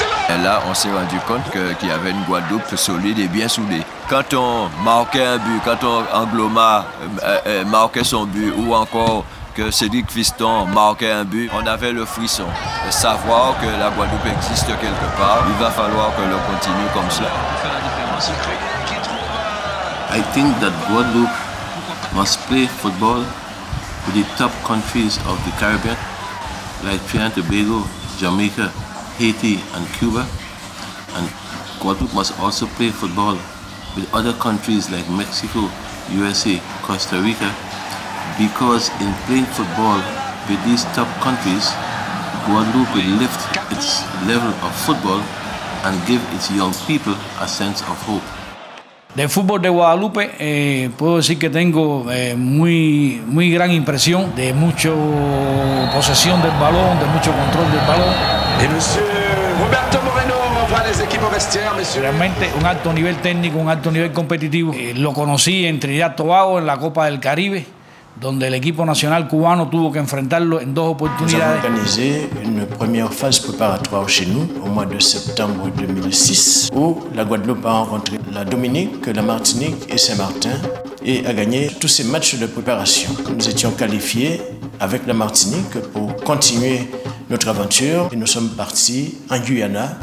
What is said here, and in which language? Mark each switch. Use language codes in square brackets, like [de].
[fr] Et là, on s'est rendu compte qu'il y avait une Guadeloupe solide et bien soudée. Quand on marquait un but, quand on Angloma marquait son but, ou encore que Cédric Fiston marquait un but, on avait le frisson. Savoir que la Guadeloupe existe quelque part, il va falloir que l'on continue comme cela. [en] I think that Guadeloupe must play football with the top countries of the Caribbean, like Trinidad and Tobago, Jamaica, Haiti and Cuba. And Guadeloupe must also play football with other countries like Mexico, USA, Costa Rica, because in playing football with these top countries, Guadeloupe will lift its level of football and give its young people a sense of hope. [es] Del fútbol de Guadalupe, puedo decir que tengo muy, muy gran impresión de mucha posesión del balón, de mucho control del balón. [fr] Et monsieur Roberto Moreno, on voit les équipes au vestiaire, monsieur. [es] Realmente un alto nivel técnico, un alto nivel competitivo. Lo conocí en Trinidad Tobago en la Copa del Caribe, donde el equipo nacional cubano tuvo que enfrentarlo en dos oportunidades. [fr] Nous avons organisé une première phase préparatoire chez nous au mois de septembre 2006, où la Guadeloupe a rencontré la Dominique, la Martinique et Saint-Martin et a gagné tous ces matchs de préparation. Nous étions qualifiés avec la Martinique pour continuer notre aventure et nous sommes partis en Guyana.